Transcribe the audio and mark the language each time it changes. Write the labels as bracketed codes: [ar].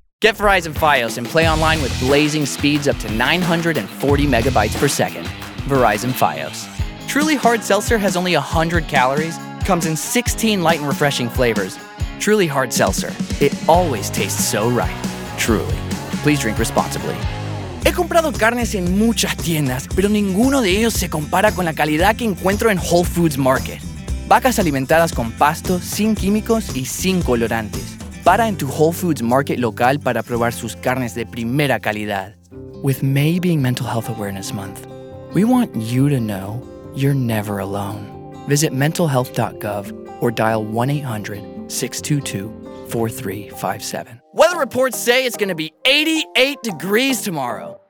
[en] Get Verizon Fios and play online with blazing speeds up to 940 megabytes per second. Verizon Fios. Truly Hard Seltzer has only 100 calories, comes in 16 light and refreshing flavors. Truly Hard Seltzer. It always tastes so right. Truly. Please drink responsibly. [es] He comprado carnes en muchas tiendas, pero ninguno de ellos se compara con la calidad que encuentro en Whole Foods Market. Vacas alimentadas con pasto, sin químicos y sin colorantes. Para en tu Whole Foods Market local para probar sus carnes de primera calidad. [en] With May being Mental Health Awareness Month, we want you to know you're never alone. Visit mentalhealth.gov or dial 1-800-622-4357. Weather reports say it's going to be 88 degrees tomorrow.